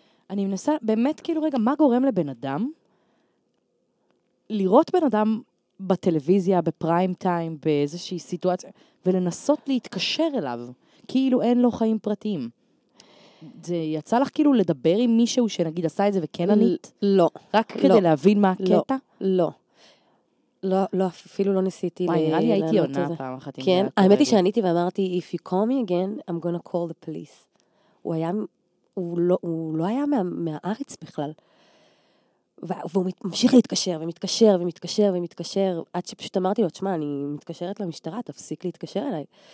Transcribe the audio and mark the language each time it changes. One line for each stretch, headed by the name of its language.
Hebrew: אני מנסה, באמת, כאילו, רגע, מה גורם לבן אדם לראות בן אדם בטלוויזיה, בפריים טיים, באיזושהי סיטואציה, ולנסות להתקשר אליו, כאילו אין לו חיים פרטיים. זה יצא לך כאילו לדבר עם מישהו שנגיד עשה את זה וכן ענית? לא. רק כדי להבין מה הקטע? לא. לא, אפילו לא ניסיתי. וואי, נראה לי הייתי עונה פעם אחת. כן, האמת היא שעניתי ואמרתי,
English: if you call me again, I'm gonna call the police.
Hebrew: הוא לא היה מהארץ בכלל. והוא ממשיך להתקשר, ומתקשר, ומתקשר, ומתקשר, עד שפשוט אמרתי לו, תשמע, אני מתקשרת למשטרה, תפסיק להתקשר אליי.